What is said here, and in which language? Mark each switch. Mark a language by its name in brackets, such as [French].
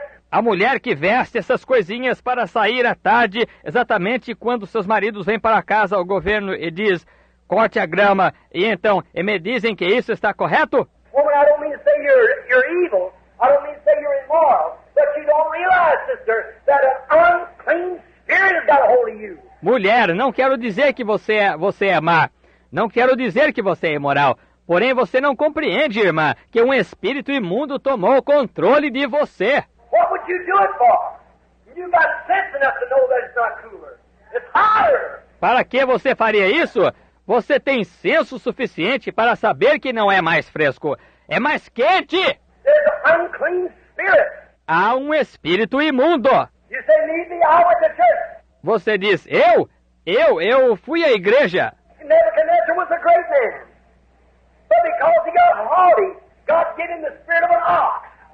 [Portuguese] A mulher que veste essas coisinhas para sair à tarde, exatamente quando seus maridos vêm para casa ao governo e diz, corte a grama, e então, e me dizem que isso está correto? [English] Woman, I don't mean to say you're evil. I don't mean to say you're immoral. But you don't realize, sister, that an unclean spirit has got a hold of you. [Portuguese] Mulher, não quero dizer que você é má. Não quero dizer que você é imoral. Porém, você não compreende, irmã, que um espírito imundo tomou o controle de você. [English] What would you do it for? You got sense enough to know that it's not cooler. It's hotter. [Portuguese] Para que você faria isso? Você tem senso suficiente para saber que não é mais fresco. É mais quente. [English] There's an unclean spirit. [Portuguese] Há um espírito imundo. [English] You say, leave me, I went to church. [Portuguese] Você diz, eu fui à igreja. [English] Nebuchadnezzar was a great man. But because he got haughty, God gave him the spirit of an ox.